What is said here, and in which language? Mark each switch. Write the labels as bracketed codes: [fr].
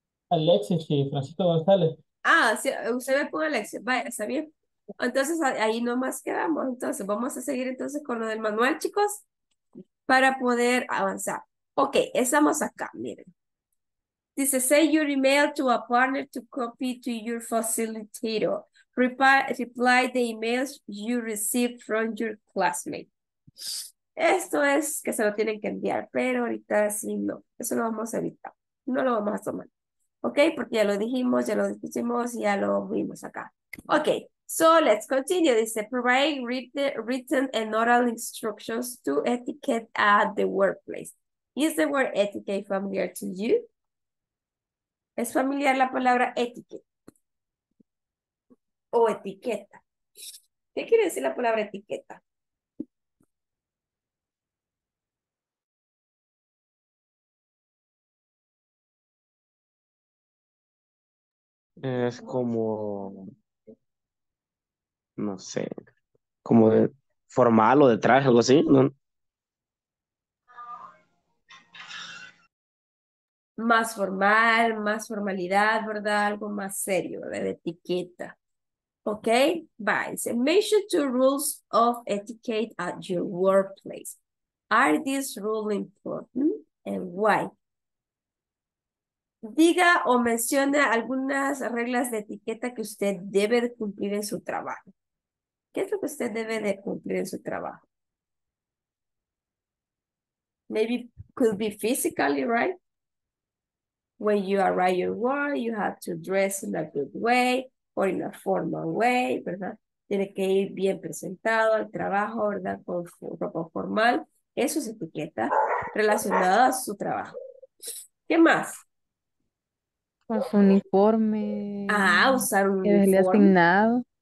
[es] Alexis, sí, Francisco González. Ah, sí, usted me pone Alexis. Vaya, está bien. Entonces, ahí nomás quedamos. Entonces, vamos a seguir entonces con lo del manual, chicos, para poder avanzar. Ok, estamos acá, miren. [en] Dice, send your email to a partner to copy to your facilitator. Reply the emails you received from your classmate. [es] Esto es que se lo tienen que enviar, pero ahorita sí no. Eso lo vamos a evitar. No lo vamos a tomar. ¿Ok? Porque ya lo dijimos, ya lo discutimos y ya lo vimos acá. [en] Ok. So, let's continue. Dice, provide written and oral instructions to etiquette at the workplace. Is the word etiquette familiar to you? [es] ¿Es familiar la palabra etiquette? O etiqueta. ¿Qué quiere decir la palabra etiqueta? Es como, no sé, como de formal o de traje, algo así, ¿no? Más formal, más formalidad, ¿verdad? Algo más serio, ¿verdad? De etiqueta. [en] Okay, bye. Make sure to rules of etiquette at your workplace. Are these rules important and why? [es] Diga o menciona algunas reglas de etiqueta que usted debe de cumplir en su trabajo. ¿Qué es lo que usted debe de cumplir en su trabajo? [en] Maybe could be physically, right? When you arrive at work, you have to dress in a good way. [es] O en la [en] formal way, [es] ¿verdad? Tiene que ir bien presentado al trabajo, ¿verdad? Con ropa formal. Eso es etiqueta relacionada a su trabajo. ¿Qué más? Con su uniforme. Ajá, usar un uniforme. Le asignado.